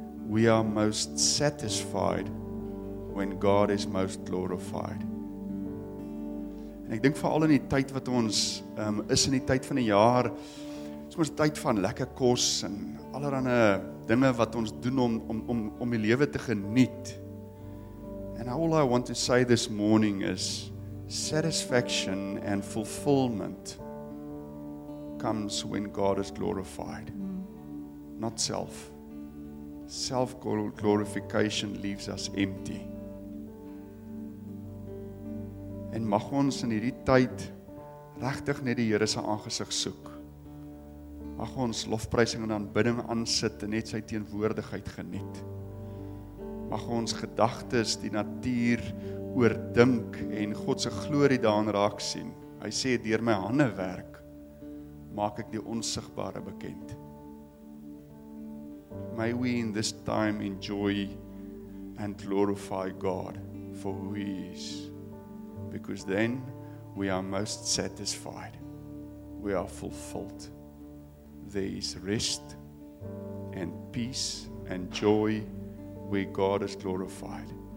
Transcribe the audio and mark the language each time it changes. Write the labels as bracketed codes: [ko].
[en] We are most satisfied when God is most glorified. [af] En ek dink veral in die tyd wat ons is in die tyd van die jaar, is ons tyd van lekker kos en allerhande dinge wat ons doen om die lewe te geniet. [en] And all I want to say this morning is satisfaction and fulfillment comes when God is glorified, not self. Self-glorification leaves us empty. [af] En mag ons in hierdie tyd regtig net die Here se aangesig soek. Mag ons lofprysing en aanbidding aansit en net sy teenwoordigheid geniet. Mag ons gedagtes die natuur oordink en God se glorie daarin raak sien. Hy sê deur my hande werk maak ek die onsigbare bekend. [en] May we in this time enjoy and glorify God for who he is. Because then we are most satisfied. We are fulfilled. There is rest and peace and joy where God is glorified.